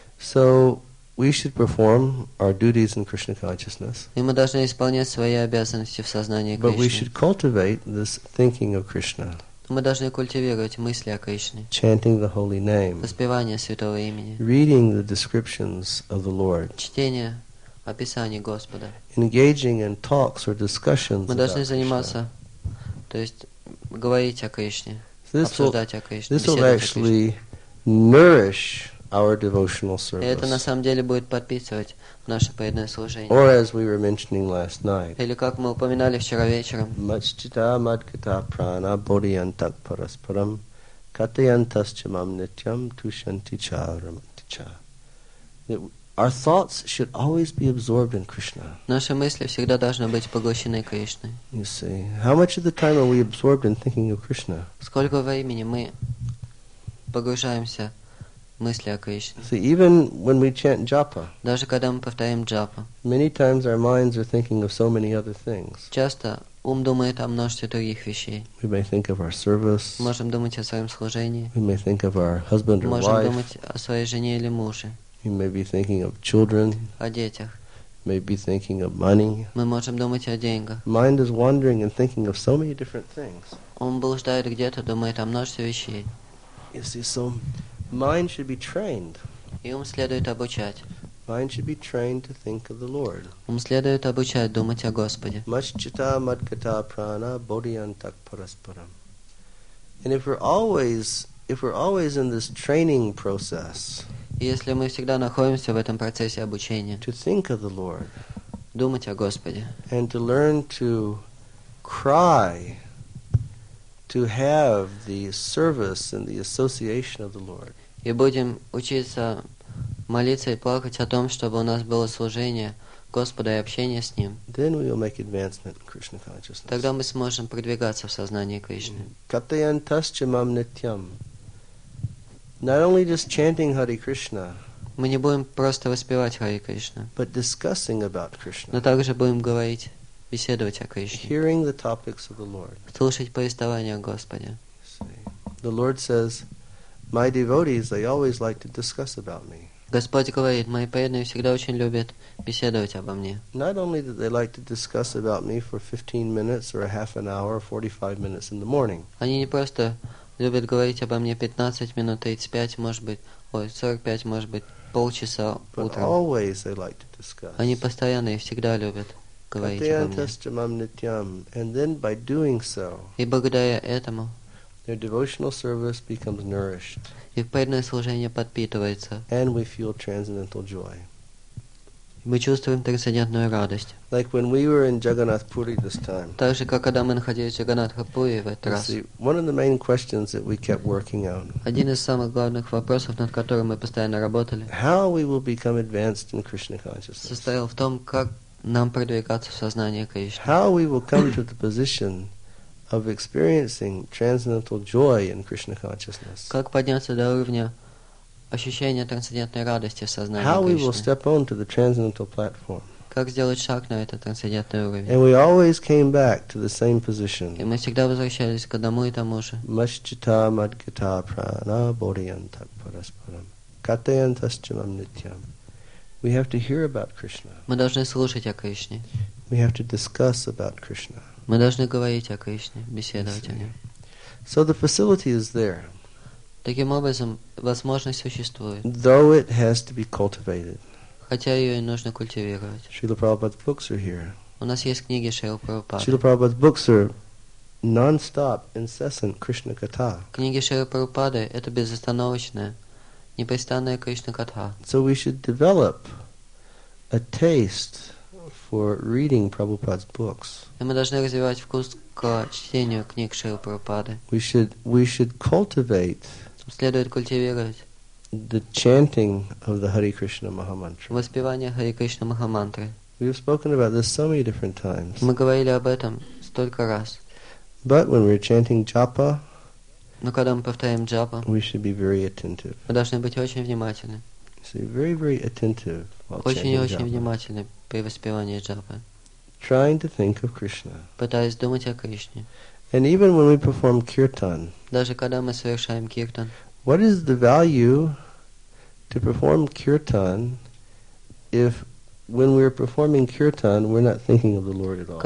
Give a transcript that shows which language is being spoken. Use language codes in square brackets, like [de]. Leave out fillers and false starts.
[en] So we should perform our duties in Krishna consciousness. [ru] И мы должны исполнять свои обязанности в сознании Кришны. [en] But we should cultivate this thinking of Krishna. [ru] Мы должны культивировать мысли о Кришне. [en] Chanting the holy name. [ru] Воспевание святого имени. [en] Reading the descriptions of the Lord. [ru] Чтение описаний Господа. [en] Engaging in talks or discussions. [ru] Мы должны заниматься, то есть говорить о Кришне, обсуждать о Кришне. [en] This will actually nourish our devotional service. [ru] Это на самом деле будет подпитывать наше преданное служение. [en] Or as we were mentioning last night. [ru] Или как мы упоминали вчера вечером. [sa] Маччита мадгита прана бодиянтак параспарам катаянтасча мам нитьям тушанти ча рамати ча. [en] Our thoughts should always be absorbed in Krishna. [ru] Наши мысли всегда должны быть поглощены Кришной. [en] You see. How much of the time are we absorbed in thinking of Krishna? [ru] Сколько времени мы погружаемся мысли о Кришне. [en] See, even when we chant japa, [ru] даже когда мы повторяем джапа, [en] many times our minds are thinking of so many other things. [ru] Часто ум думает о множестве других вещей. [en] We may think of our service. [ru] Можем думать о своем служении. [en] We may think of our husband or [ru] можем [en] wife. [ru] Можем думать о своей жене или муже. [en] We may be thinking of children. [ru] О детях. [en] May be thinking of money. [ru] Мы можем думать о деньгах. [en] Mind is wandering and thinking of so many different things. [ru] Ум блуждает где-то, думает о множестве вещей. [en] You see, so mind should be trained. [ru] И ум следует обучать. [en] Mind should be trained to think of the Lord. [ru] Ум следует обучать думать о Господе. [sa] Маччита мадгита прана бодиянтак параспарам. [en] And if we're always, If we're always in this training process, [ru] если мы всегда находимся в этом процессе обучения, [en] to think of the Lord, [ru] думать о Господе, [en] and to learn to cry, to have the service and the association of the Lord, [ru] и будем учиться молиться и плакать о том, чтобы у нас было служение Господа и общение с Ним, [en] then we will make advancement in Krishna consciousness. [ru] Тогда мы сможем продвигаться в сознании Кришны. [sa] Катаянтасча мам нитьям. [en] Not only just chanting Hare Krishna, [ru] мы не будем просто воспевать Hare Krishna, [en] but discussing about Krishna, [ru] но также будем говорить, беседовать о Кришне, [en] hearing the topics of the Lord. [ru] Слушать повествование о Господе. [en] The Lord says, my devotees, they always like to discuss about me. [ru] Господь говорит, мои преданные всегда очень любят беседовать обо мне. [en] Not only that they like to discuss about me for 15 minutes or a half an hour or 45 minutes in the morning. [ru] Они не просто любят говорить обо мне 15 минут, 35, может быть, ой, 45, может быть, полчаса утром. [en] But always they like to discuss. [ru] Они постоянно и всегда любят говорить обо мне. [sa] Катаянтасчамам нитьям. [en] And then by doing so, [ru] и благодаря этому, [en] their devotional service becomes nourished. [ru] Их преданное служение подпитывается. [en] And we feel transcendental joy. [ru] Мы чувствуем трансцендентную радость. [en] Like when we were in Jagannath Puri this time. [ru] Так же, как когда мы находились в Джаганнатхапури в этот раз. [en] One of the main questions that we kept working on. [ru] Один из самых главных вопросов, над которым мы постоянно работали. [en] How we will become advanced in Krishna consciousness. [ru] Состоял в том, как нам продвигаться в сознании Кришны. [en] How we will come to the position of experiencing transcendental joy in Krishna consciousness. [ru] Как подняться до уровня ощущения трансцендентной радости в сознании Кришны. [en] How we will step onto the transcendental platform. [ru] Как сделать шаг на этот трансцендентный уровень. [en] And we always came back to the same position. [ru] И мы всегда возвращались к одному и тому же. [sa] Maschita madgita prana bodhiyantat parasparam katayantaschamam nityam. [en] We have to hear about Krishna. [ru] Мы должны слушать о Кришне. [en] We have to discuss about Krishna. [ru] Мы должны говорить о Кришне, беседовать о Нем. [en] So the facility is there. [ru] Таким образом, возможность существует. [en] Though it has to be cultivated. [ru] Хотя ее и нужно культивировать. [en] Srila Prabhupada's books are here. [ru] У нас есть книги Шрилы Прабхупады. [en] Srila Prabhupada's books are non-stop, incessant Krishna katha. [ru] Книги Шрилы Прабхупады – это безостановочная, непрестанная Кришна катха. [en] So we should develop a taste for reading Prabhupada's books. [ru] И мы должны развивать вкус к чтению книг Шрилы Прабхупады. [en] We should cultivate. [ru] Следует культивировать. [en] The chanting of the Hare Krishna Maha Mantra. [ru] Воспевание Hare Krishna Maha Mantra. [en] We've spoken about this so many different times. [ru] Мы говорили об этом столько раз. [en] But when we're chanting japa, [ru] но когда мы повторяем джапа, [en] we should be very attentive. [ru] Мы должны быть очень внимательны. [en] See, very, very attentive while [ru] очень [en] chanting [ru] и очень внимательны при воспевании джапы. [en] Trying to think of Krishna. [ru] Пытаясь думать о Кришне. [en] And even when we perform kirtan, [ru] даже когда мы совершаем киртан, [en] what is the value to perform kirtan if when we are performing kirtan we're not thinking of the Lord at all?